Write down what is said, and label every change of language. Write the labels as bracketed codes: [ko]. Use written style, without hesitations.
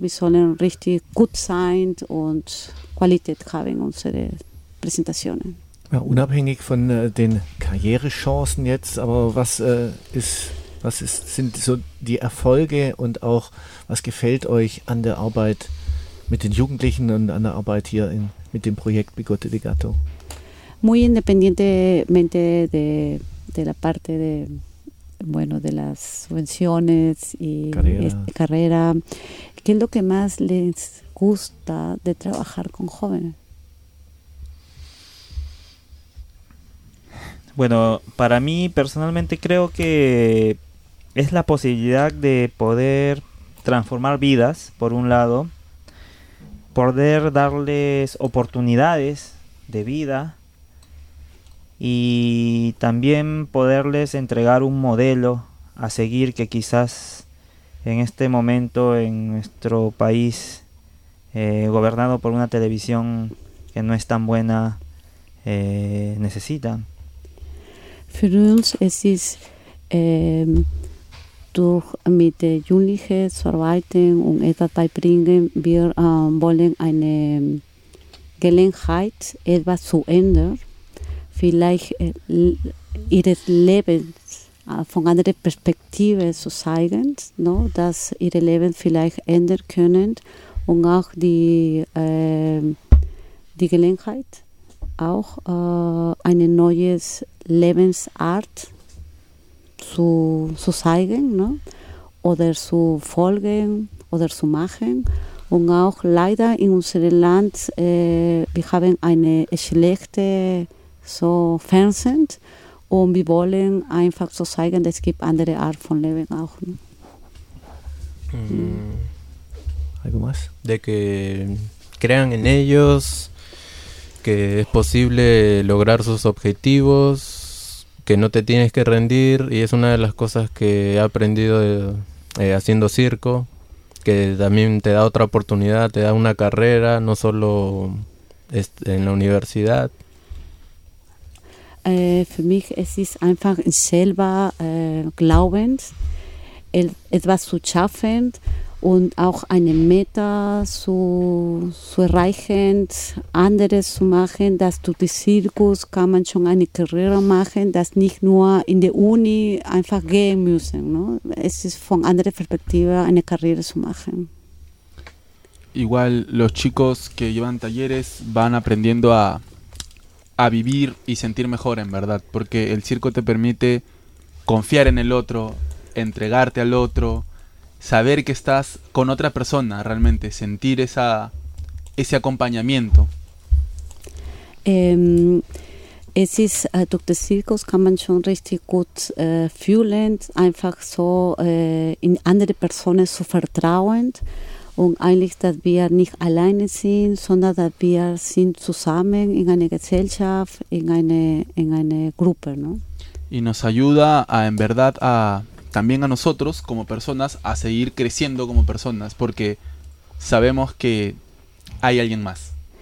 [de] Wir sollen richtig gut sein und Qualität haben, unsere Präsentationen. Ja, unabhängig von den Karrierechancen jetzt, aber was sind so die Erfolge und auch was gefällt euch an der Arbeit mit den Jugendlichen und an der Arbeit hier mit dem Projekt Bigote de Gato? [es] Muy independientemente de la parte de de las subvenciones y carrera, ¿qué es lo que más les gusta de trabajar con jóvenes? Bueno, para mí personalmente creo que es la posibilidad de poder transformar vidas, por un lado, poder darles oportunidades de vida y también poderles entregar un modelo a seguir que quizás en este momento en nuestro país gobernado por una televisión que no es tan buena necesitan. [de] Für uns es ist durch mit den Jugendlichen zu arbeiten und etwas beibringen, wir wollen eine Gelegenheit etwas zu ändern. Vielleicht ihres Lebens von anderen Perspektiven zu zeigen, [es] no? [de] Dass ihre Leben vielleicht ändern können und auch die Gelegenheit, auch eine neue Lebensart zu zeigen, [es] no? [de] Oder zu folgen oder zu machen. Und auch leider in unserem Land, wir haben eine schlechte so Fernsehen und wir wollen einfach so zeigen, es gibt andere Art von Leben auch. Ne? [es] ¿Algo más? De que crean en ellos, que es posible lograr sus objetivos, que no te tienes que rendir, y es una de las cosas que he aprendido haciendo circo, que también te da otra oportunidad, te da una carrera, no solo en la universidad. [de] Für mich es ist es einfach selber glaubend, etwas zu schaffen und auch eine Meta zu erreichen, anderes zu machen, dass durch den Zirkus kann man schon eine Karriere machen, dass nicht nur in der Uni einfach gehen müssen. [es] No? [de] Es ist von anderer Perspektive eine Karriere zu machen. [es] Igual los chicos que llevan talleres van aprendiendo a vivir y sentir mejor, en verdad, porque el circo te permite confiar en el otro, entregarte al otro, saber que estás con otra persona, realmente sentir ese acompañamiento. [de] Es ist durch den Zirkus kann man schon richtig gut fühlen, einfach so in andere Personen zu vertrauen und eigentlich, dass wir nicht alleine sind, sondern dass wir sind zusammen in einer Gesellschaft, in eine Gruppe, [es] ¿no? Y nos ayuda a, en verdad, a también a nosotros como personas a seguir creciendo como personas, porque sabemos que hay alguien más.